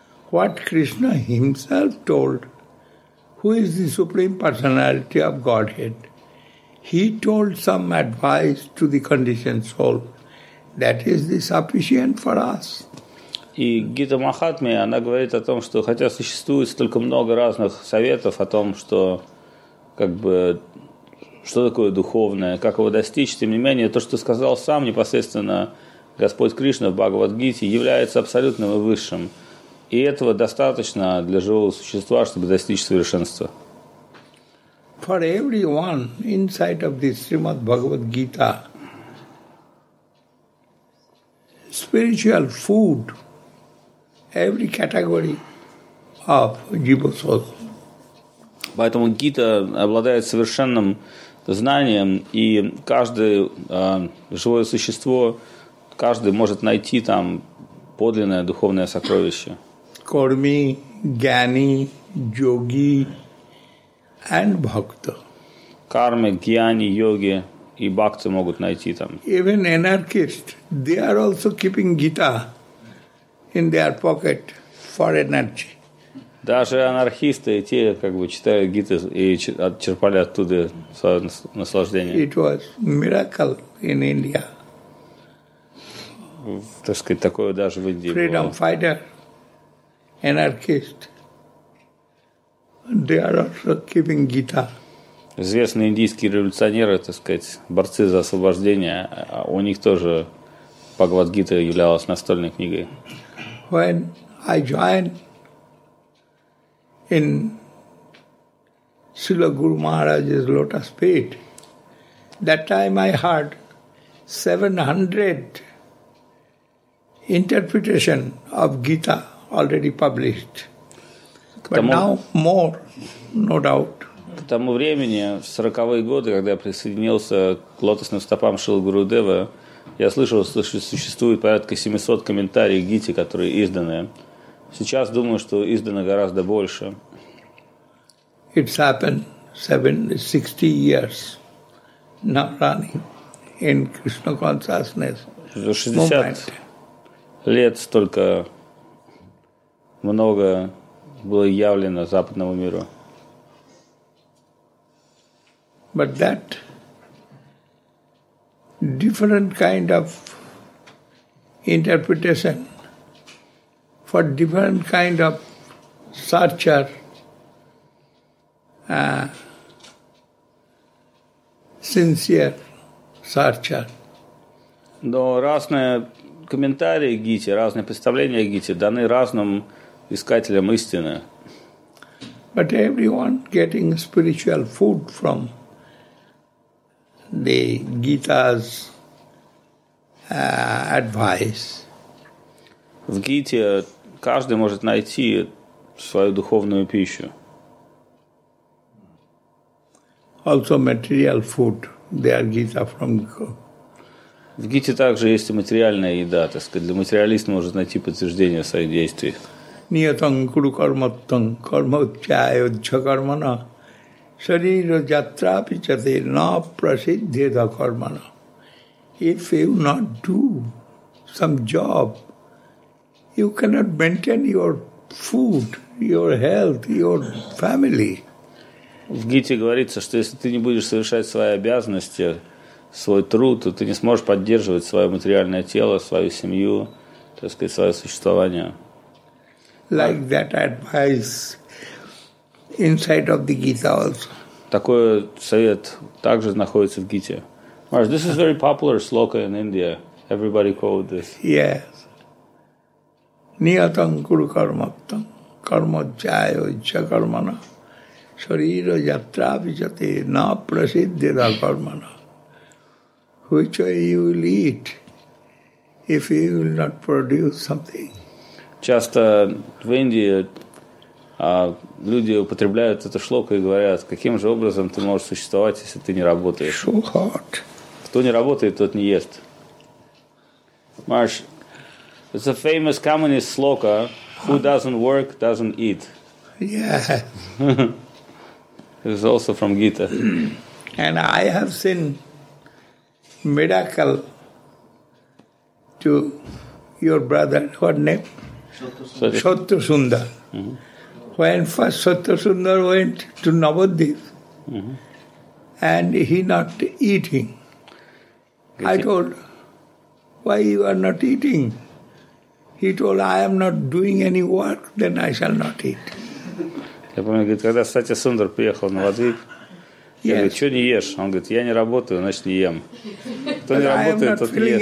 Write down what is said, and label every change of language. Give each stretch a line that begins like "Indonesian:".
English: What Krishna himself told, who is the Supreme Personality of Godhead, he told some advice to the conditioned soul. That is the sufficient for us.
Russian: И Гита Махатме, она говорит о том, что хотя существует столько много разных советов о том, что как бы что такое духовное, как его достичь, тем не менее, то, что сказал сам непосредственно Господь Кришна в Бхагавад-гите, является абсолютным и высшим. И этого достаточно для живого существа, чтобы достичь совершенства.
English: For everyone inside of this Srimad Bhagavad-gita, spiritual food, every category of jiva soul.
Russian: Поэтому Гита обладает совершенным знанием, и каждое живое существо, каждый может найти там подлинное духовное сокровище. Корми, гьяни, йоги
English: and
Russian: бхакта. Карми, гьяни, йоги и бхакта могут найти там.
English: Even anarchists, they are also keeping Gita in their pocket for energy.
Russian: Даже анархисты, и те, как бы, читают Гиты и черпали оттуда наслаждение.
English: It was miracle in India.
Russian: Так сказать, такое даже в Индии
English: Freedom
Russian: было.
English: Fighter, anarchist, they are also keeping Gita.
Russian: Известные индийские революционеры, так сказать, борцы за освобождение, у них тоже Бхагавад-гита являлась настольной книгой.
English: When I joined in Srila Guru Maharaj's lotus feet, that time I heard 700 interpretation of Gita already published. But now more, no doubt.
Russian: К тому времени, в 40-е годы, когда я присоединился к лотосным стопам Шрилы Гурудевы, я слышал, что существует порядка 700 комментариев к Гите, которые изданы. Сейчас думаю, что издано гораздо больше.
English: It's happened 60 years now running in Krishna consciousness.
Russian: За 60 лет столько много было явлено западному миру.
English: But that different kind of interpretation for different kind of searcher sincere searcher.
Russian: Но разные комментарии Гите, разные представления Гите даны разным искателям истины.
English: But everyone getting spiritual food from the Gita's advice.
Russian: В Гите каждый может найти свою духовную пищу.
English: Also material food. They are Gita from
Russian: В Гите также есть и материальная еда, так сказать. Для материалиста может найти подтверждение своих действий.
Sanskrit: Ниятан куру карматтан карма учая уджха кармана шарира жатра пичате на прасиддхеда кармана.
English: If you not do some job, you cannot maintain your food, your health, your family.
Russian: В Гите говорится, что если ты не будешь совершать свои обязанности, свой труд, то ты не сможешь поддерживать свое материальное тело, свою семью, так сказать, свое существование.
English: Like that advice inside of the Gita also.
Russian: Такой совет также находится в Гите.
English: Maharaj, this is very popular sloka in India. Everybody quote this. Yes.
Sanskrit: Niyatam kuru karmattam. karma jayo icha karmana sharira yatra vijate na prasiddhira karmana.
English: Which way you will eat if you will not produce something? Just
Russian: в Индии люди употребляют эту шлоку и говорят, каким же образом ты можешь существовать, если ты не работаешь?
English: So hard.
Russian: Кто не работает, тот не ест.
English: Marsh, it's a famous communist sloka, who doesn't work, doesn't eat. Yeah. It's also from Gita. And I have seen miracle to your brother, what name? Shatrusundar. Mm-hmm. When first Shatrusundar went to Navadvip, mm-hmm. and he not eating, I told, why you are not eating? He told, I am not doing any work, then I shall not eat.
Russian: Я помню, говорит, когда Шатрусундар приехал на Навадвип, я говорю, что не ешь? Он говорит, я не работаю, значит, не ем. Кто не работает, тот не ест.